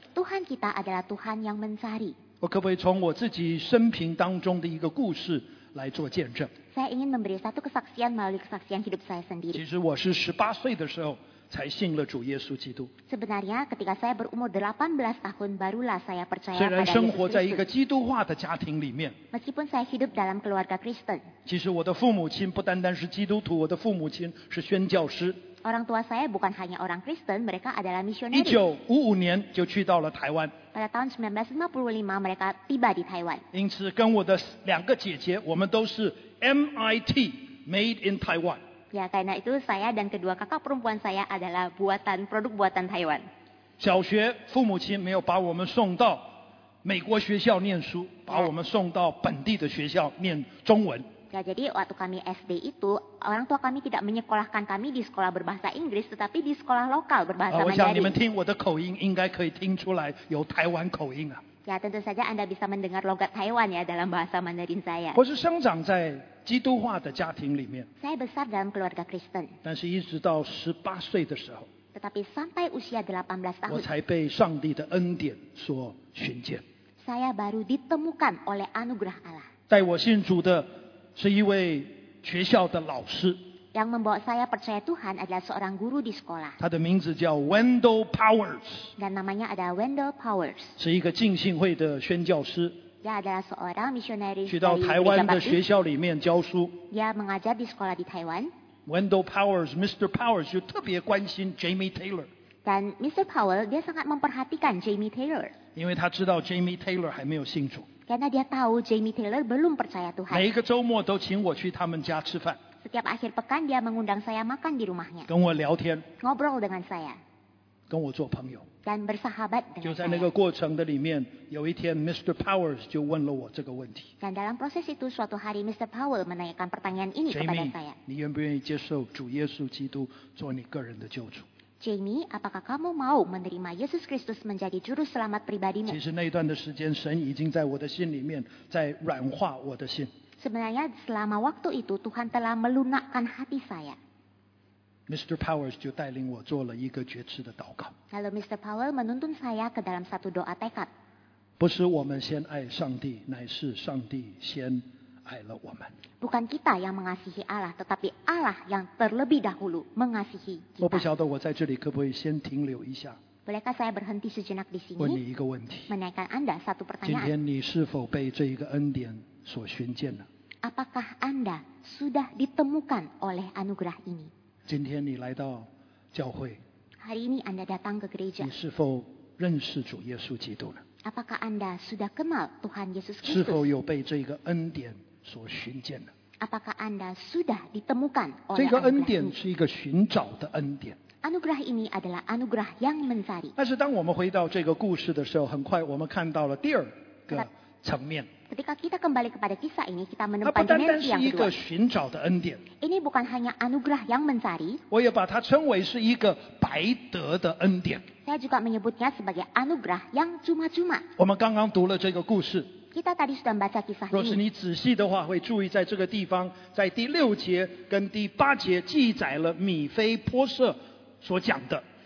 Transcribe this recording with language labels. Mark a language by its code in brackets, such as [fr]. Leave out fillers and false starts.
[id] Tuhan kita adalah Tuhan yang mencari。 [zh] 我可不可以从我自己生平当中的一个故事来做见证？ [id] saya ingin memberi satu kesaksian melalui kesaksian hidup saya sendiri。 [zh] 其实我是18岁的时候才信了主耶稣基督。 [id] Sebenarnya ketika saya berumur 18 tahun barulah saya percaya pada Yesus. [zh] 虽然生活在一个基督化的家庭里面。 [id] Meskipun saya hidup dalam keluarga Kristen. [zh] 其实我的父母亲不单单是基督徒，我的父母亲是宣教师。 [id] Orang tua saya bukan hanya orang Kristen, mereka adalah misioneri. [zh] 1955年就去到了台湾。 [id] Pada tahun 1955 mereka tiba di Taiwan. [zh] 因此跟我的两个姐姐，我们都是 MIT [en] Made in Taiwan. [id] Ya, karena itu saya dan kedua kakak perempuan saya adalah buatan produk buatan Taiwan. [zh] 小学父母亲没有把我们送到美国学校念书，把我们送到本地的学校念中文。 [id] Ya, jadi waktu kami SD itu orang tua kami tidak menyekolahkan kami di sekolah berbahasa Inggris, tetapi di sekolah lokal berbahasa Mandarin. [zh] 我想你们听我的口音应该可以听出来有台湾口音啊。 [id] Ya, tentu saja Anda bisa mendengar logat Taiwan ya dalam bahasa Mandarin saya. [zh] 我是生长在基督化的家庭里面。 [id] Saya besar dalam keluarga Kristen. [zh] 但是一直到18岁的时候。 [id] Tetapi sampai usia 18 tahun. [zh] 我才被上帝的恩典所寻见。 [id] Saya baru ditemukan oleh anugerah Allah. [zh] 带我信主的是一位学校的老师。 [id] Yang membawa saya percaya Tuhan adalah seorang guru di sekolah. [zh] 他的名字叫 Wendell Powers. [id] Dan namanya adalah Wendell Powers. [zh] 是一个浸信会的宣教师。 [id] Dia adalah seorang missionary. [zh] 去到台湾的学校里面教书。 [id] Dia mengajar di sekolah di Taiwan. [en] Wendell Powers, Mr. [zh] Powers 就特别关心 Jamie Taylor. [id] Dan Mr. Powell dia sangat memperhatikan Jamie Taylor. [zh] 因为他知道 Jamie Taylor 还没有信主。 [id] Karena dia tahu Jamie Taylor belum percaya Tuhan. [zh] 每一个周末都请我去他们家吃饭。 [id] Setiap akhir pekan dia mengundang saya makan di rumahnya. [zh] 跟我聊天。 [id] Ngobrol dengan saya. [zh] 跟我做朋友。 [id] Dan bersahabat dengan saya. [zh] 就在那个过程的里面，有一天 Mr. Powers 就问了我这个问题。 [id] Dan dalam proses itu suatu hari Mr. Powell menanyakan pertanyaan ini kepada saya. [zh] Jamie, 你愿不愿意接受主耶稣基督做你个人的救主？ [id] Jamie, apakah kamu mau menerima Yesus Kristus menjadi juru selamat pribadimu? [zh] 其实那一段的时间，神已经在我的心里面在软化我的心。 [id] Sebenarnya selama waktu itu Tuhan telah melunakkan hati saya. [en] Mr. [zh] Powers 就带领我做了一个决志的祷告。 [id] Lalu Mr. Powell menuntun saya ke dalam satu doa tekad. [zh] 不是我们先爱上帝，乃是上帝先爱了我们。 [id] Bukan kita yang mengasihi Allah, tetapi Allah yang terlebih dahulu mengasihi kita. [zh] 我不晓得我在这里可不可以先停留一下。 [id] Bolehkah saya berhenti sejenak di sini? [zh] 问你一个问题。 [id] Menanyakan Anda satu pertanyaan. [zh] 今天你是否被这一个恩典所寻见呢？ [id] Apakah Anda sudah ditemukan oleh anugerah ini? [zh] 今天你来到教会。 [id] Hari ini Anda datang ke gereja. [zh] 你是否认识主耶稣基督呢？ [id] Apakah Anda sudah kenal Tuhan Yesus Kristus? [zh] 是否有被这个恩典所寻见呢？ [id] Apakah Anda sudah ditemukan oleh anugerah ini? [zh] 这个恩典是一个寻找的恩典。 [id] Anugerah ini adalah anugerah yang mencari. [zh] 但是当我们回到这个故事的时候，很快我们看到了第二个层面。 [id] Ketika kita kembali kepada kisah ini, kita menemukan dimensi yang kedua. [zh] 它不单单是一个寻找的恩典。 [id] Ini bukan hanya anugerah yang mencari. [zh] 我也把它称为是一个白得的恩典。 [id] Saya juga menyebutnya sebagai anugerah yang cuma-cuma. [zh] 我们刚刚读了这个故事。 [id] Kita tadi sudah membaca kisah ini. [zh] 若是你仔细的话，会注意在这个地方，在第六节跟第八节记载了米非波设所讲的。